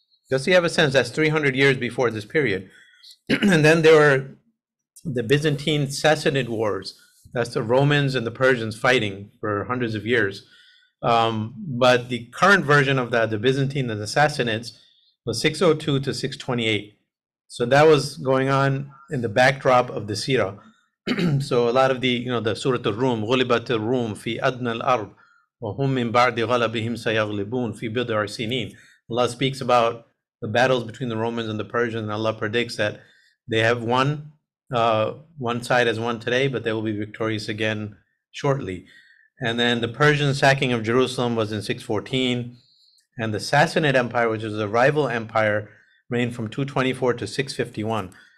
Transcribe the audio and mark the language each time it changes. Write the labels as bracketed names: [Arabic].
[English] Just so you have a sense, that's 300 years before this period. And then there were the Byzantine Sassanid Wars. That's the Romans and the Persians fighting for hundreds of years. But the current version of that, the Byzantine and the Sassanids, was 602 to 628. So that was going on in the backdrop of the Sira. So a lot of the, you know, the Surah al-Rum, [Arabic] غُلِبَتْ الرُّوم فِي أَدْنَى الْأَرْضِ وَهُمْ مِنْ بَعْدِ غَلَبِهِمْ سَيَغْلِبُونَ فِي بِضْعِ سِنِينَ. [English] Allah speaks about the battles between the Romans and the Persians, and Allah predicts that they have won, one side has won today, but they will be victorious again shortly. And then the Persian sacking of Jerusalem was in 614, and the Sassanid Empire, which is a rival empire, reigned from 224 to 651.